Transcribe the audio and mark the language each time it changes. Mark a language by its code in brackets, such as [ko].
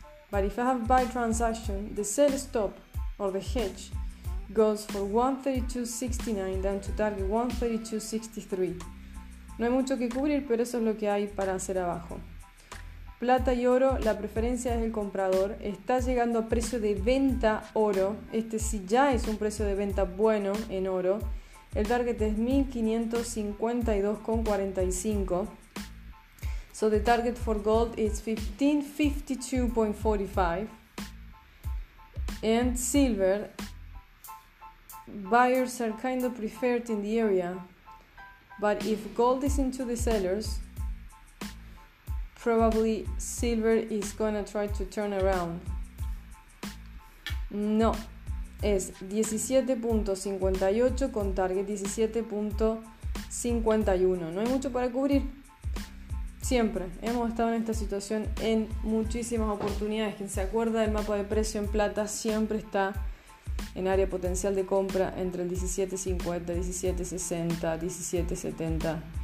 [en] But if I have buy transaction, the sell stop, or the hedge, goes for 132.69 down to target 132.63. [es] No hay mucho que cubrir, pero eso es lo que hay para hacer abajo. Plata y oro, la preferencia es el comprador. Está llegando a precio de venta oro. Este sí ya es un precio de venta bueno en oro. El target es 1552.45. [en] So the target for gold is 1552.45. And silver, buyers are kind of preferred in the area. But if gold is into the sellers, probably silver is gonna try to turn around. [es] No. Es 17.58 con target 17.51. No hay mucho para cubrir. Siempre. Hemos estado en esta situación en muchísimas oportunidades. Quien se acuerda del mapa de precio en plata siempre está en área potencial de compra entre el 17.50, 17.60, 17.70.